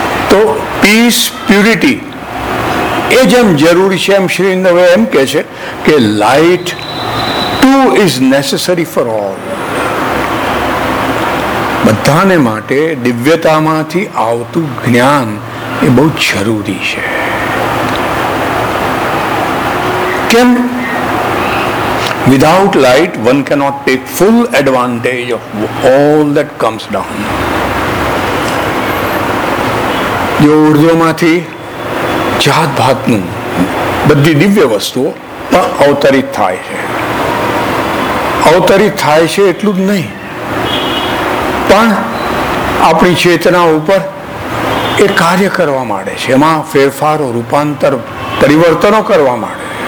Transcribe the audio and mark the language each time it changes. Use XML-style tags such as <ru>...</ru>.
<gu>તો piece purity એ જેમ જરૂરી છે એમ શ્રી અરવિંદ હવે એમ કહે છે કે</gu> <en>light too is necessary for all,</en> <gu>બધાને માટે દિવ્યતામાંથી આવતું જ્ઞાન એ બહુ જરૂરી છે. કેમ?</gu> <en>Without light, one cannot take full advantage of all that comes down.</en> <gu>જે ઉર્જોમાંથી જાત ભાતનું બધી દિવ્ય વસ્તુઓ પણ અવતરિત થાય છે. અવતરિત થાય છે એટલું જ નહીં પણ આપણી ચેતના ઉપર એ કાર્ય કરવા માંડે છે, એમાં ફેરફારો, રૂપાંતર, પરિવર્તનો કરવા માંડે.</gu>